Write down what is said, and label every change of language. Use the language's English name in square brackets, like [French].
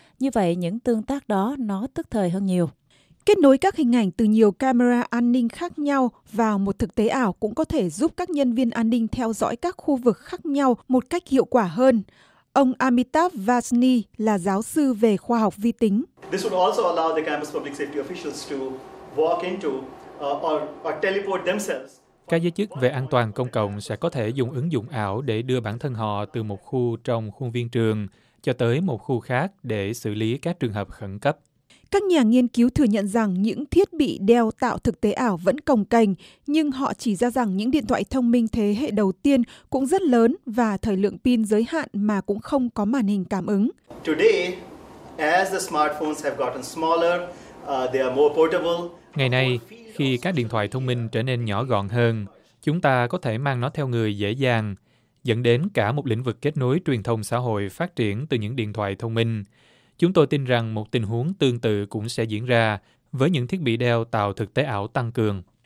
[Vietnamese] Như vậy, những tương tác đó nó tức thời hơn nhiều. Kết nối các hình ảnh từ nhiều camera an ninh khác nhau vào một thực tế ảo cũng có thể giúp các nhân viên an ninh theo dõi các khu vực khác nhau một cách hiệu quả hơn. Ông Amitabh Vasni là giáo sư về khoa học vi tính. [English] This would also allow the campus public safety officials to walk into or teleport themselves. [Vietnamese] Các giới chức về an toàn công cộng sẽ có thể dùng ứng dụng ảo để đưa bản thân họ từ một khu trong khuôn viên trường cho tới một khu khác để xử lý các trường hợp khẩn cấp. Các nhà nghiên cứu thừa nhận rằng những thiết bị đeo tạo thực tế ảo vẫn cồng kềnh, nhưng họ chỉ ra rằng những điện thoại thông minh thế hệ đầu tiên cũng rất lớn và thời lượng pin giới hạn mà cũng không có màn hình cảm ứng. [English] Today, as the smartphones have gotten smaller, they are more portable. [Vietnamese] Ngày nay, khi các điện thoại thông minh trở nên nhỏ gọn hơn, chúng ta có thể mang nó theo người dễ dàng, dẫn đến cả một lĩnh vực kết nối truyền thông xã hội phát triển từ những điện thoại thông minh. Chúng tôi tin rằng một tình huống tương tự cũng sẽ diễn ra với những thiết bị đeo tạo thực tế ảo tăng cường.